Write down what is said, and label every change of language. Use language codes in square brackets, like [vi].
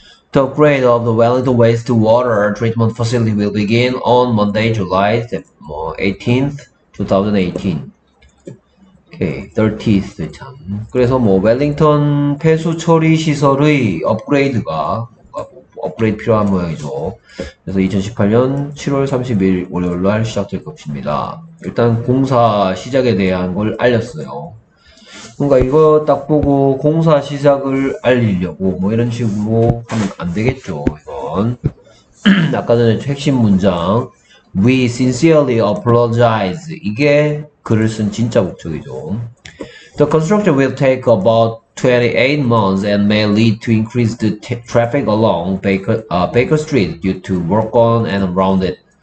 [en] The upgrade of the valley wastewater treatment facility will begin on Monday, July 18th, 2018. [ko] 오케이, 30th 참. 그래서 뭐 웰링턴 폐수 처리 시설의 업그레이드가 업그레이드 필요한 모양이죠. 그래서 2018년 7월 30일 월요일날 시작될 것입니다. 일단 공사 시작에 대한 걸 알렸어요. 뭔가 이거 딱 보고 공사 시작을 알리려고 뭐 이런 식으로 하면 안 되겠죠, 이건. 아까 전에 핵심 문장 [en] We sincerely apologize. [ko] 이게 글을 쓴 진짜 목적이죠. [en] The construction will take about 28 months and may lead to increased traffic along Baker Street due to work on and around it.